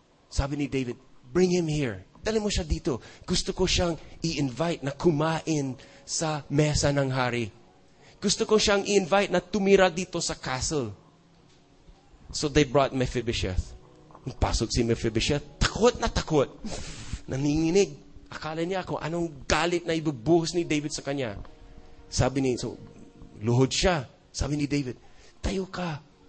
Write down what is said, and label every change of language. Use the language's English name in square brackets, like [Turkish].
[Filipino] Sabi ni David, [English] bring him here. [Filipino] Dali mo siya dito. Gusto ko siyang i-invite na kumain sa mesa ng hari. Gusto ko siyang i-invite na tumira dito sa castle. [English] So they brought Mephibosheth. [Filipino] Pasok si Mephibosheth, takot na takot. Naninginig. Akala niya ako, anong galit na ibubuhos ni David sa kanya. Sabi ni, so, luhod siya. Sabi ni David, tayo ka.